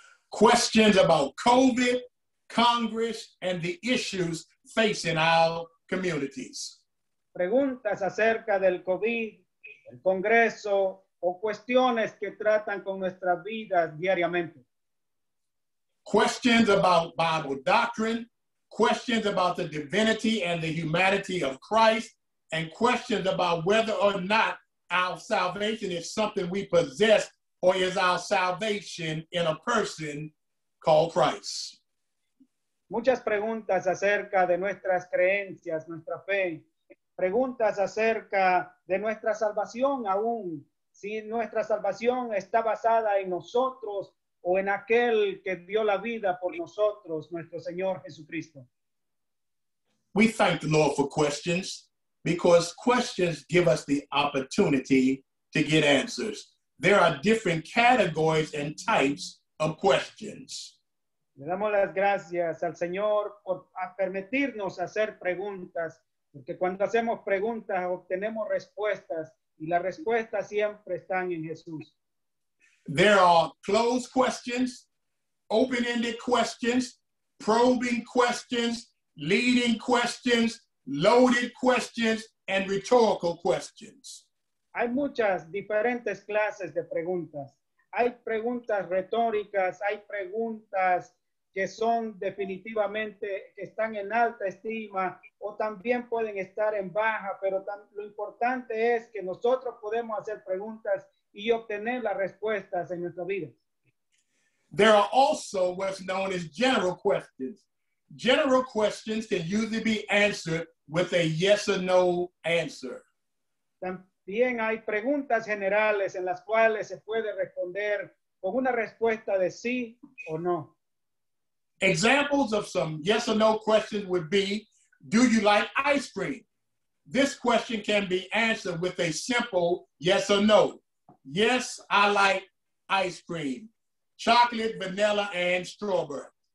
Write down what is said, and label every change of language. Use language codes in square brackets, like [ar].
[en] Questions about COVID, Congress, and the issues facing our communities. [es] Preguntas acerca del COVID, el Congreso, o cuestiones que tratan con nuestras vidas diariamente. [en] Questions about Bible doctrine, questions about the divinity and the humanity of Christ, and questions about whether or not our salvation is something we possess or is our salvation in a person called Christ. [es] Muchas preguntas acerca de nuestras creencias, nuestra fe. Preguntas acerca de nuestra salvación aún. Si nuestra salvación está basada en nosotros o en aquel que dio la vida por nosotros, nuestro Señor Jesucristo. [en] We thank the Lord for questions because questions give us the opportunity to get answers. There are different categories and types of questions. [es] Le damos las gracias al Señor por permitirnos hacer preguntas, porque cuando hacemos preguntas obtenemos respuestas, y las respuestas siempre están en Jesús. [en] There are closed questions, open-ended questions, probing questions, leading questions, loaded questions, and rhetorical questions. [es] Hay muchas diferentes clases de preguntas. Hay preguntas retóricas, hay preguntas que son definitivamente, que están en alta estima, o también pueden estar en baja, pero lo importante es que nosotros podemos hacer preguntas y obtener las respuestas en nuestra vida. [en] There are also what's known as general questions. General questions can usually be answered with a yes or no answer. [es] También hay preguntas generales en las cuales se puede responder con una respuesta de sí o no. [en] Examples of some yes or no questions would be, do you like ice cream? This question can be answered with a simple yes or no. Yes, I like ice cream. Chocolate, vanilla, and strawberry.